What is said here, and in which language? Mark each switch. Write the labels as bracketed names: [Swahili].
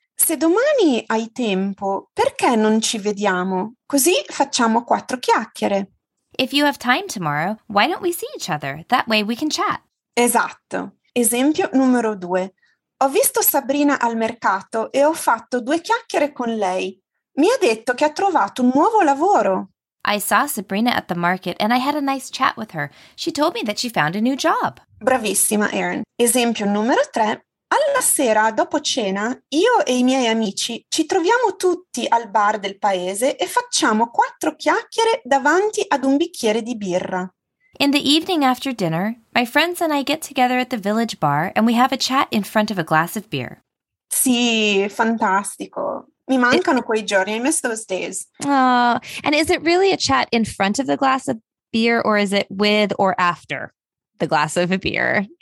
[Italian] Se domani hai tempo, perché non ci vediamo? Così facciamo quattro chiacchiere. [English] If you have time tomorrow, why don't we see each other? That way we can chat. [Italian] Esatto. Esempio numero due. Ho visto Sabrina al mercato e ho fatto due chiacchiere con lei. Mi ha detto che ha trovato un nuovo lavoro. [English] I saw Sabrina at the market and I had a nice chat with her. She told me that she found a new job. [Italian] Bravissima, Erin. Esempio numero tre. Alla sera, dopo cena, io e i miei amici ci troviamo tutti al bar del paese e facciamo quattro chiacchiere davanti ad un bicchiere di birra. [English] In the evening after dinner, my friends and I get together at the village bar and we have a chat in front of a glass of beer. [Italian] Sì, fantastico. Mi mancano quei giorni. [English] I miss those days. [Italian] Oh, and is it really a chat in front of the glass of beer or is it with or after the glass of a beer?